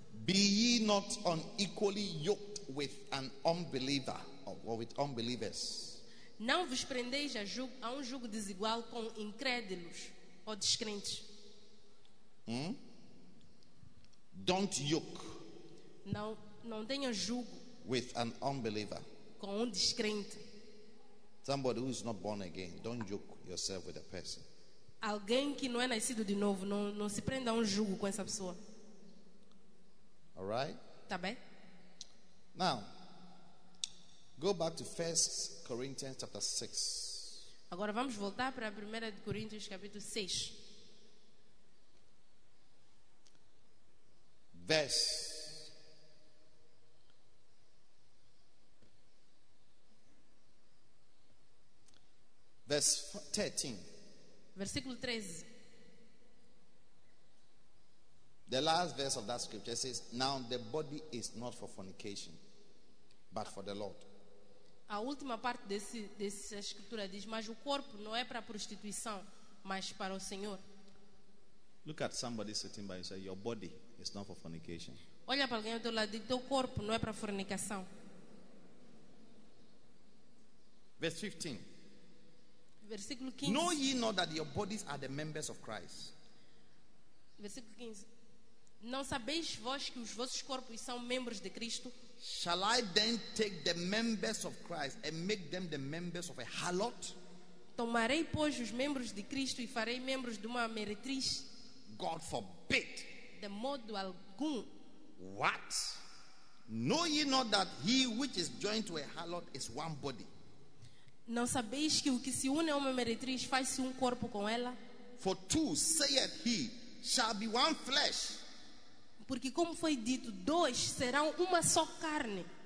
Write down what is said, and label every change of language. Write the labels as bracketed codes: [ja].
[en] Be ye not unequally yoked with an unbeliever or with unbelievers. [pt] Não vos prendeis a um jugo desigual com incrédulos ou descrentes. [en] Don't yoke. [pt] Não tenha jugo [en] with an unbeliever. [pt] Com descrente. [en] Somebody who is not born again, don't yoke yourself with a person. [pt] Alguém que não é nascido de novo, não se prenda a um jugo com essa pessoa. [en] All right? [pt] Tá bem? [en] Now, go back to 1 Corinthians chapter 6. [pt] Agora vamos voltar para a 1 Coríntios capítulo 6. [en] Verse 13. [pt] Versículo 13. [en] The last verse of that scripture says, now the body is not for fornication, but for the Lord. [pt] A última parte dessa escritura diz, mas o corpo não é para prostituição, mas para o Senhor. [en] Look at somebody sitting by you and say, your body is not for fornication. [pt] Olha para alguém do teu lado e teu corpo não é para fornicação. [en] Verse 15. [pt] Versículo 15. [en] Know ye not that your bodies are the members of Christ? [pt] Versículo 15. Não sabeis vós que os vossos corpos são membros de Cristo? [en] Shall I then take the members of Christ and make them the members of a harlot? [pt] Tomarei, pois, os membros de Cristo e farei membros de uma meretriz? [en] God forbid. [pt] De modo algum. [en] What? Know ye not that he which is joined to a harlot is one body? [pt] Não sabeis que o que se une a uma meretriz faz-se corpo com ela? [en] For two, saith he, shall be one flesh. [pt] Porque como foi dito, dois serão uma só carne.